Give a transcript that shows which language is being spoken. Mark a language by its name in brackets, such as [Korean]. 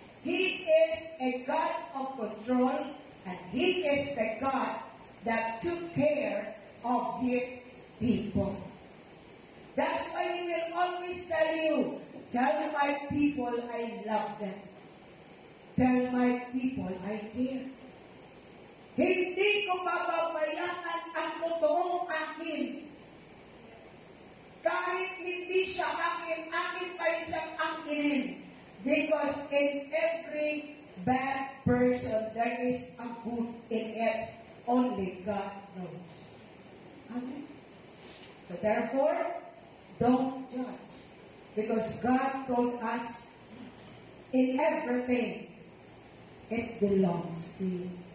[English] He is a God of control, and He is the God that took care of His people. That's why He will always tell my people I love them. Tell my people I care. [Filipino] Hindi ko papabayaan ang totoong akin. Kahit hindi siya akin, akin pa rin siyang akin. [English] Because in every bad person, there is a good in it. Only God knows. Amen. So therefore, don't judge. Because God told us, in everything, it belongs to you.